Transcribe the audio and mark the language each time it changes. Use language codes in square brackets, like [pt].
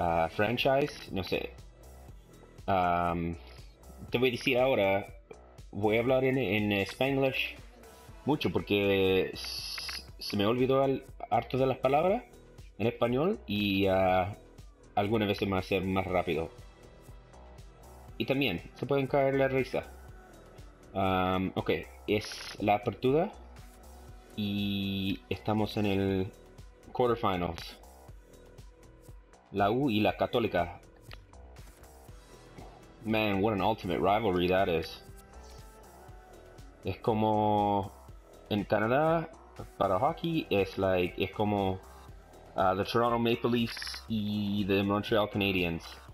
[es] Franchise, no sé. Te voy a decir ahora, voy a hablar en Spanglish mucho porque se me olvidó harto de las palabras en español, y algunas veces va a ser más rápido. Y también se pueden caer la risa. Ok, es la apertura y estamos en el quarterfinals. La U y la Católica. [en] Man, what an ultimate rivalry that is. [es] Es como en Canadá para hockey, es como the Toronto Maple Leafs y the Montreal Canadiens.